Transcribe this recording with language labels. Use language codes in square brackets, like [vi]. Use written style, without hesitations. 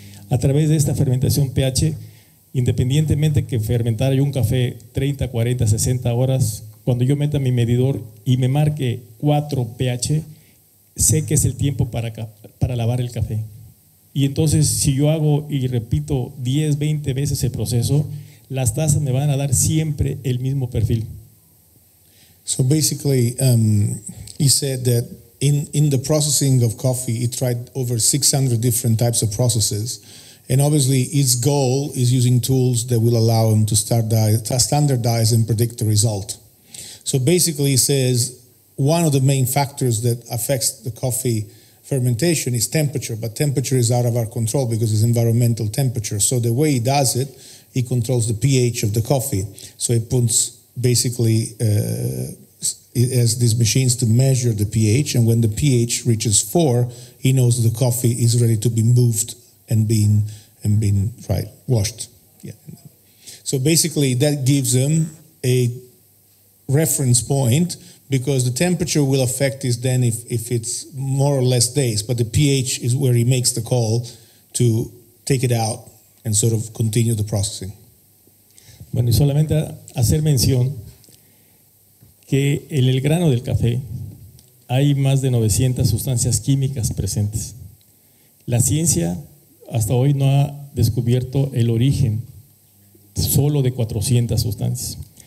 [es] a través de esta fermentación pH, independientemente que fermentara yo un café 30, 40, 60 horas, cuando yo meta mi medidor y me marque 4 pH, sé que es el tiempo para lavar el café. Y entonces, si yo hago y repito 10, 20 veces el proceso, las tazas me van a dar siempre el mismo perfil. [en] So basically, he said that in the processing of coffee, he tried over 600 different types of processes. And obviously, his goal is using tools that will allow him to standardize and predict the result. So basically, he says one of the main factors that affects the coffee fermentation is temperature, but temperature is out of our control because it's environmental temperature. So the way he does it, he controls the pH of the coffee. So he puts basically, it has these machines to measure the pH, and when the pH reaches 4, he knows the coffee is ready to be moved and been washed. Yeah. So basically, that gives him a reference point, because the temperature will affect his then if it's more or less days, but the pH is where he makes the call to take it out and sort of continue the processing. [es] Bueno, y solamente hacer mención que en el grano del café hay más de 900 sustancias químicas presentes. La ciencia hasta hoy no ha descubierto el origen solo de 400 sustancias.